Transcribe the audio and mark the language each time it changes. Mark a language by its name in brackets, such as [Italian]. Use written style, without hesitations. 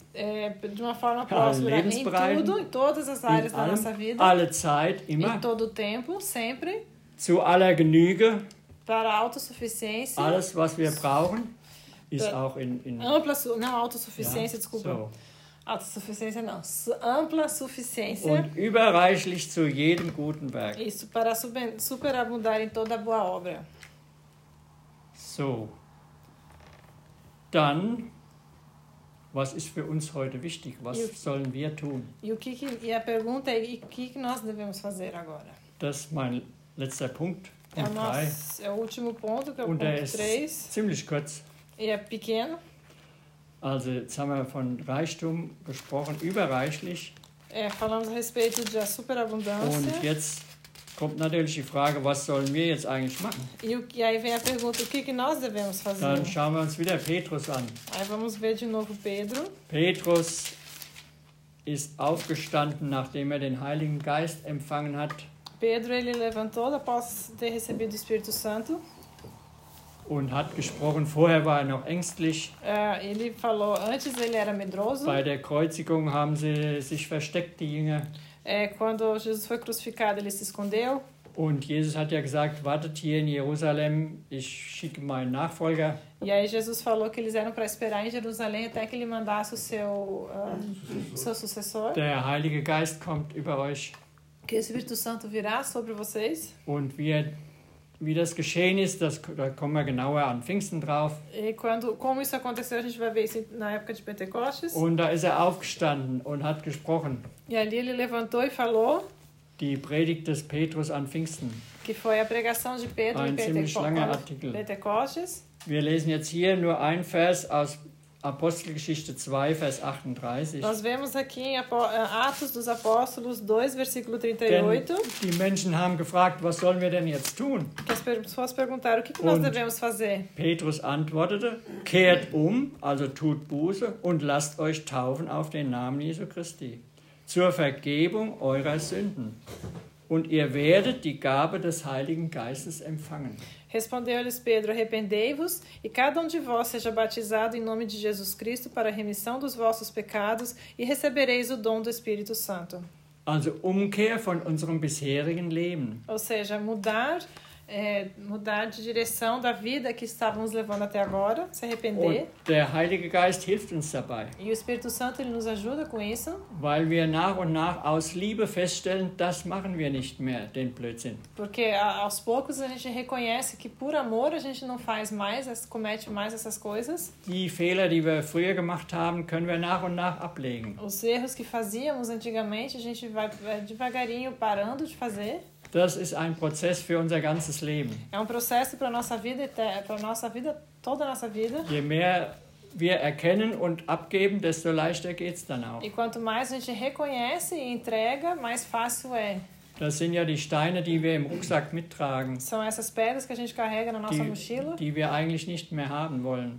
[Portuguese] De uma forma próspera em tudo, em todas as áreas da nossa vida. [German] Alle Zeit, immer. [Portuguese] Em todo o tempo, sempre. [German] Zu aller Genüge. [Portuguese] Para Autossuficiência. [German] Alles, was wir brauchen, ist auch in [Portuguese] ampla, não, Autossuficiência, ja, desculpa. So. Autossuficiência, não. Ampla Suficiência. [German] Und überreichlich zu jedem guten Werk. [Portuguese] Isso, para superabundar em toda boa obra. [German] So. Dann, was ist für uns heute wichtig? Was sollen wir tun? [Portuguese] E a pergunta é, e o que nós devemos fazer agora? [German] Das ist mein letzter Punkt, Punkt 3. [Portuguese] É o último ponto, que é o ponto 3. [German] Und er ist ziemlich kurz. [Portuguese] E é pequeno. [German] Also, jetzt haben wir von Reichtum gesprochen, überreichlich. [Portuguese] É, falamos a respeito de superabundância. [German] Und jetzt kommt natürlich die Frage, was sollen wir jetzt eigentlich machen? [Portuguese] E aí vem a pergunta, o que nós devemos fazer? [German] Dann schauen wir uns wieder Petrus an. [Portuguese] Aí vamos ver de novo Pedro. [German] Petrus ist aufgestanden, nachdem er den Heiligen Geist empfangen hat. [Portuguese] Pedro, ele levantou após ter recebido o Espírito Santo. [German] Und hat gesprochen, vorher war er noch ängstlich. [Portuguese] Ele falou, antes ele era medroso. [German] Bei der Kreuzigung haben sie sich versteckt, die Jünger. [Portuguese] Quando Jesus foi crucificado, ele se escondeu. [German] Und Jesus hat ja gesagt, wartet hier in Jerusalem, ich schicke meinen Nachfolger. [Portuguese] E aí Jesus falou que eles eram para esperar em Jerusalém até que ele mandasse o seu, seu sucessor. [German] Der Heilige Geist kommt über euch. [Portuguese] Que o Espírito Santo virá sobre vocês. [German] Und wie das geschehen ist, da kommen wir genauer an Pfingsten drauf. [Portuguese] Como isso aconteceu, a gente vai ver isso na época de Pentecostes. [German] Und da ist er aufgestanden und hat gesprochen. [Portuguese] E ali ele levantou e falou. [German] Die Predigt des Petrus an Pfingsten. [Portuguese] Que foi a pregação de Pedro em Pentecostes. [German] Wir lesen jetzt hier nur ein Vers aus Apostelgeschichte 2, Vers 38. [Portuguese] Nós vemos aqui em Atos dos Apóstolos 2, versículo 38. [German] Denn die Menschen haben gefragt, was sollen wir denn jetzt tun? [Portuguese] Que as pessoas perguntaram, o que nós devemos fazer? [German] Petrus antwortete, kehrt um, also tut Buße, und lasst euch taufen auf den Namen Jesu Christi, zur Vergebung eurer Sünden. Und ihr werdet die Gabe des Heiligen Geistes empfangen. [Portuguese] Respondeu-lhes Pedro, arrependei-vos, e cada um de vós seja batizado em nome de Jesus Cristo para a remissão dos vossos pecados, e recebereis o dom do Espírito Santo. [German] Also Umkehr von unserem bisherigen Leben. [Portuguese] Ou seja, mudar de direção da vida que estávamos levando até agora, se arrepender. [German] Und der Heilige Geist hilft uns dabei. [Portuguese] E o Espírito Santo, ele nos ajuda com isso. [German] Weil wir nach und nach aus Liebe feststellen, das machen wir nicht mehr, den Blödsinn. [Portuguese] Porque aos poucos a gente reconhece que por amor a gente não faz mais, comete mais essas coisas. [German] Die Fehler, die wir früher gemacht haben, können wir nach und nach ablegen. [Portuguese] Os erros que fazíamos antigamente, a gente vai devagarinho parando de fazer. [German] Das ist ein Prozess für unser ganzes Leben. [Portuguese] É um processo para nossa vida, toda a nossa vida. [German] Je mehr wir erkennen und abgeben, desto leichter geht's dann auch. [Portuguese] E quanto mais a gente reconhece e entrega, mais fácil é. [German] Das sind ja die Steine, die wir im Rucksack mittragen. [Portuguese] São essas pedras que a gente carrega na nossa mochila. [German] Die wir eigentlich nicht mehr haben wollen.